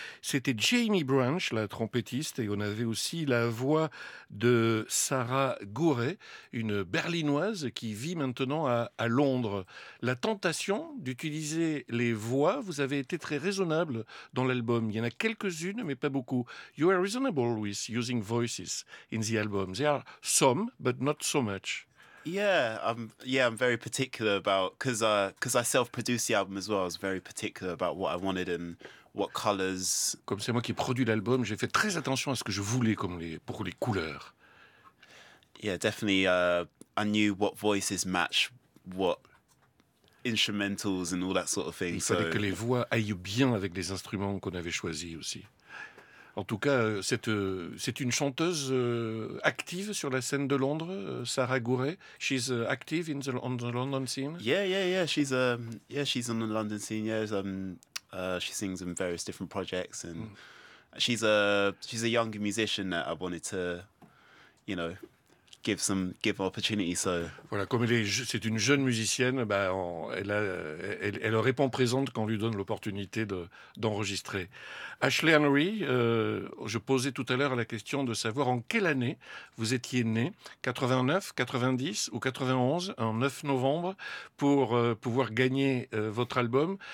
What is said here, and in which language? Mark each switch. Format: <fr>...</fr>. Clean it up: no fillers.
<fr>C'était Jamie Branch, la trompettiste, et on avait aussi la voix de Sarah Gouret, une berlinoise qui vit maintenant à Londres. La tentation d'utiliser les voix, vous avez été très raisonnable dans l'album. Il y en a quelques-unes, mais pas beaucoup.</fr> <en>You are reasonable with using voices in the album. There are some, but not so much. Yeah, I'm very particular about, because I self-produced the album as well, I was very particular about what I wanted and what colors.</en> <fr>Comme c'est moi qui produis l'album, j'ai fait très attention à ce que je voulais comme les, pour les couleurs.</fr> <en>Yeah, definitely, I knew what voices match what instrumentals and all that sort of thing.</en> <fr>Il fallait que les voix aillent bien avec les instruments qu'on avait choisis aussi. En tout cas, c'est une chanteuse active sur la scène de Londres, Sarah Gouret.</fr> <en>She's active in the, on the London scene. Yeah, she's on the London scene. Yeah, she sings in various different projects, and she's a younger musician that I wanted to, you know, give opportunity. So</en> <fr>voilà, comme elle est, c'est une jeune musicienne, bah, elle répond présente quand on lui donne l'opportunité d'enregistrer. Ashley Henry, je posais tout à l'heure la question de savoir en quelle année vous étiez née, 89, 90 ou 91, un 9 novembre, pour pouvoir gagner votre album.</fr>